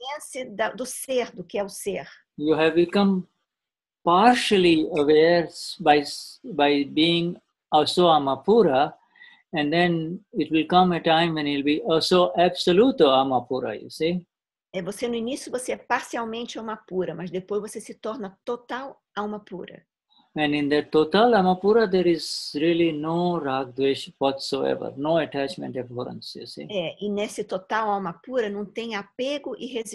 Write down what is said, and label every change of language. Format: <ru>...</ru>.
<pt>Consciência do ser, do que é o ser.</pt> <en>You have become partially aware by being also amapura, and then it will come a time when you'll be also absoluto amapura, you see?</en> <pt>É, você no início você é parcialmente amapura, mas depois você se torna total amapura.</pt> <en>And in that total amapura, there is really no ragdvesha whatsoever, no attachment abhorrence, you see.</en> <pt>É, e nesse total amapura não tem apego e</pt>